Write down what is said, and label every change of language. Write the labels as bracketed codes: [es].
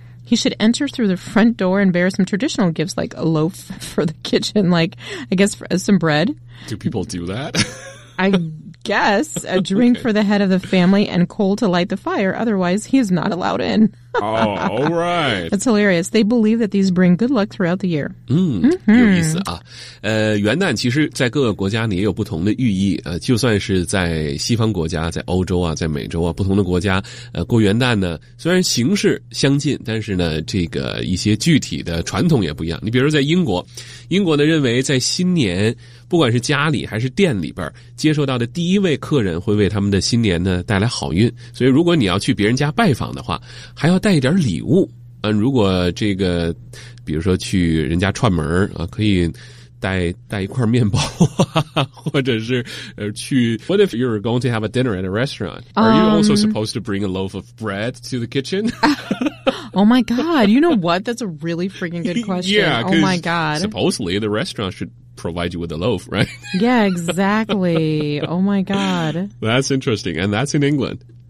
[en] He should enter through the front door and bear some traditional gifts like a loaf for the kitchen, like, I guess, some bread. Do people do that? I guess a drink for the head of the family and coal to light the fire. Otherwise, he is not allowed in. Oh, all right. That's hilarious. They believe that these bring good luck throughout the year. [zh] 有意思啊。元旦其实在各个国家呢也有不同的寓意。就算是在西方国家，在欧洲啊，在美洲啊，不同的国家过元旦呢，虽然形式相近，但是呢这个一些具体的传统也不一样。你比如说在英国，英国呢认为在新年不管是家里还是店里边接受到的第一位客人会为他们的新年呢带来好运。所以如果你要去别人家拜访的话，还要带一点礼物。如果这个比如说去人家串门可以带一块面包或者是去 [en] What if you're going to have a dinner at a restaurant? Are you also supposed to bring a loaf of bread to the kitchen? Oh my God, you know what? That's a really freaking good question. Yeah, oh my God. Supposedly the restaurant shouldprovide you with a loaf, right? Yeah, exactly. Oh my God. That's interesting. And that's in England.